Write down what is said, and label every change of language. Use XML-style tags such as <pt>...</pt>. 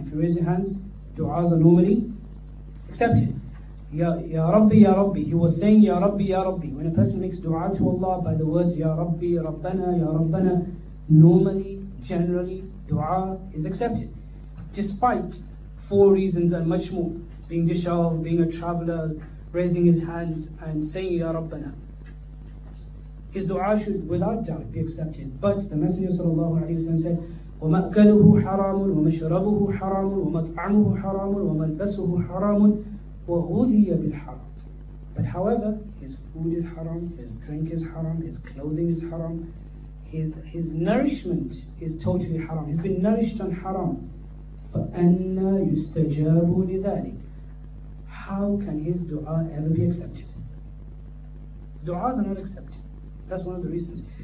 <en>If you raise your hands, du'as are normally accepted.</en> <ar>يَا رَبِّي يَا رَبِّي,</ar> <en>he was saying</en> <ar>يَا رَبِّي يَا رَبِّي.</ar> <en>When a person makes du'a to Allah by the words</en> <ar>يَا رَبِّي رَبَّنَا يَا رَبَّنَا,</ar> <en>normally, generally, du'a is accepted. Despite four reasons and much more, being disheveled, being a traveler, raising his hands and saying</en> <ar>يَا رَبَّنَا,</ar> <en>his dua should without doubt be accepted. But the Messenger sallallahu alayhi wa sallam said,</en> <ar>وَمَأْكَلُهُ حَرَامٌ وَمَشْرَبُهُ حَرَامٌ وَمَطْعَمُهُ حَرَامٌ وَمَلْبَسُهُ حَرَامٌ وَغُذِيَ بِالْحَرَامٌ.</ar> <en>But however, his food is haram, his drink is haram, his clothing is haram, his nourishment is totally haram. He's been nourished on haram.</en> <ar>فَأَنَّا يُسْتَجَابُ لِذَلِكَ.</ar> <en>How can his dua ever be accepted? Du'as are not accepted. That's one of the reasons.</en>